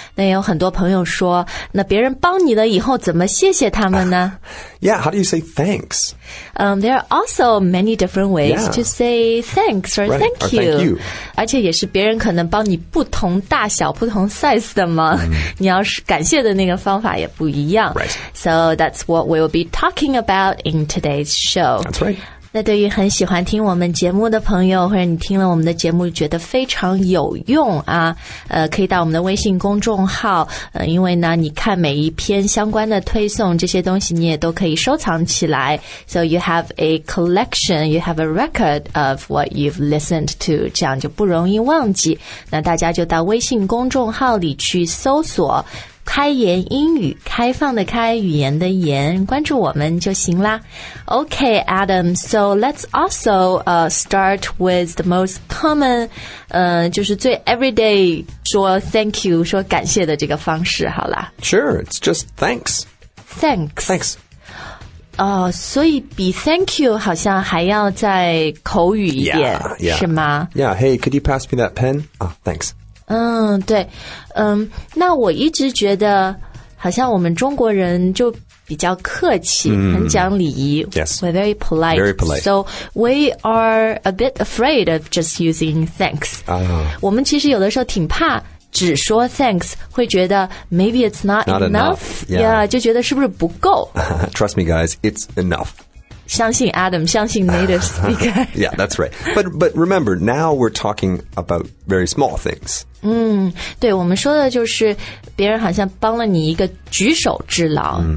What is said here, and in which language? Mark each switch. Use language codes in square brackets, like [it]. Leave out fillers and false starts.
[zh] 那有很多朋友说，那别人帮你了以后怎么谢谢他们呢？ [en] Yeah, how do you say thanks? There are also many different ways to say thanks or thank you. Or thank you. [zh] 而且也是别人可能帮你不同大小、不同 size 的吗？你要是感谢的那个方法也不一样。 [en] Right. So that's what we will be talking about in today's show. That's right. [zh] 那对于很喜欢听我们节目的朋友或者你听了我们的节目觉得非常有用啊可以到我们的微信公众号因为呢你看每一篇相关的推送这些东西你也都可以收藏起来 [en] So you have a collection, you have a record of what you've listened to [zh] 这样就不容易忘记那大家就到微信公众号里去搜索开言英语开放的开语言的言关注我们就行啦 [en] Okay, Adam, so let's also start with the most common, [zh] 就是最 everyday 说 thank you, 说感谢的这个方式好啦 [en] Sure, it's just thanks. Thanks. Thanks. [zh] 所以比 thank you 好像还要再口语一点 [en] yeah. [zh] 是吗 [en] Yeah, hey, could you pass me that pen? Thanks. [zh] 对那我一直觉得好像我们中国人就比较客气、mm. 很讲礼仪 [en] Yes. We're very polite. Very polite. So we are a bit afraid of just using thanks. [zh] 我们其实有的时候挺怕只说 thanks, 会觉得 [en] maybe it's not enough. Yeah, [zh] 就觉得是不是不够。 [en] Trust me guys, it's enough. [zh] 相信 Adam, 相信 native speaker. [en] Yeah, that's right. But remember, now we're talking about very small things. [zh] 对我们说的就是别人好像帮了你一个举手之劳、mm.